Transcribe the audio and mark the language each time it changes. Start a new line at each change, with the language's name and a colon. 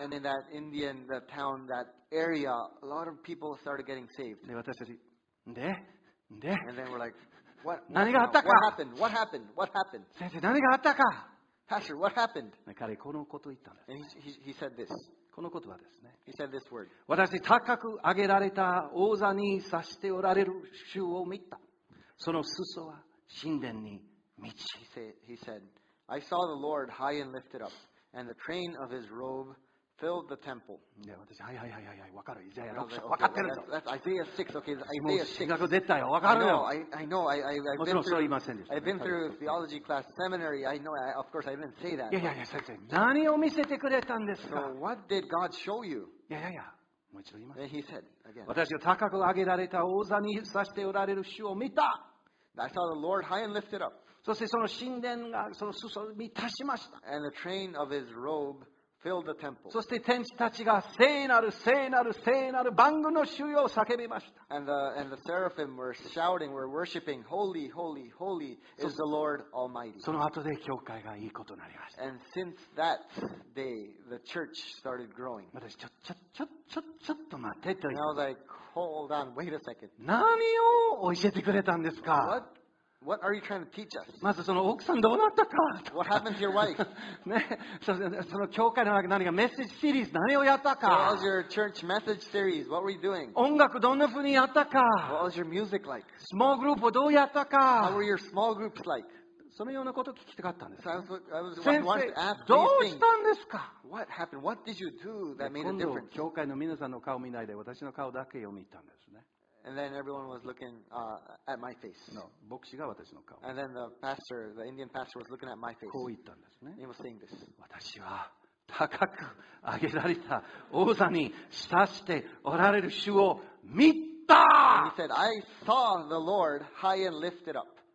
English: And in that Indian the town, that area, a lot of people started getting saved.
Japanese: で、私たち、で、で、
English: And then we're like, what
Japanese: 何があったか
English: What happened? What happened? What happened?
Japanese: 先生、何があったか
English: Pastor, what happened?
Japanese: 彼、このこと言ったんです。
English: And he said this.
Japanese: この言葉ですね。
English: He said this word.
Japanese: 私、高く上げられた王座に指しておられる主を見た。その裾は神殿に。
English: He said, I saw the Lord high and lifted up, and the train of his robe filled the temple. Yeah,
Japanese: 私、はいはいはいはい、わかる。Isaiah 6章、わかってるぞ。
English: That's Isaiah 6, okay, Isaiah 6.
Japanese: もう進学出たよ、わかるよ。
English: I know, I've been through,
Japanese: もちろんそう言いませんでした。
English: Theology class, seminary, I know, of course, I didn't say that.
Japanese: いやいやいや、先生、何を見せてくれたんですか
English: So what did God show you?
Japanese: いやいやいや、もう一度言います。
English: And he said, again.
Japanese: 私が高く上げられた王座に指しておられる主を見た。
English: I saw the Lord high and lifted up.
Japanese: そしてその神殿がその裾を満たしました。
English: And the train of his robe filled the temple.
Japanese: そして天使たちが聖なる聖なる聖なる万軍の主よ叫びました。
English: And the seraphim were shouting, were worshiping, holy, holy, holy is the Lord Almighty.
Japanese: その後で教会がいいことになりました。
English: And since that day, the church started growing.
Japanese: 私ちょっと待ってと言
English: And I was like, hold on, wait a second.
Japanese: 何を教えてくれたんですか。
English: What are you trying to teach us?
Japanese: まずその奥さんどうなったか
English: What happened to your wife?
Japanese: ね、その教会の中何かメッセージシリーズ何をやったか
English: What was your church message series? What were you doing?
Japanese: 音楽どんな風にやったか
English: What was your music like?
Japanese: スモールグループをどうやったか
English: How were your small groups like?
Japanese: そのようなことを聞きたかったんです。先生、どうしたんですか
English: What happened? What did you do that made a difference?
Japanese: 今度教会の皆さんの顔を見ないで私の顔だけを見たんですね。
English: And then everyone was looking at my face. No,
Japanese: 牧師が私の顔。
English: And then the pastor, the Indian pastor, was looking at my face.
Japanese: こう言ったんですね。
English: He was saying this.
Japanese: 私は高く上げられた王座に指しておられる主を見た。
English: He said, I saw the Lord high and lifted up.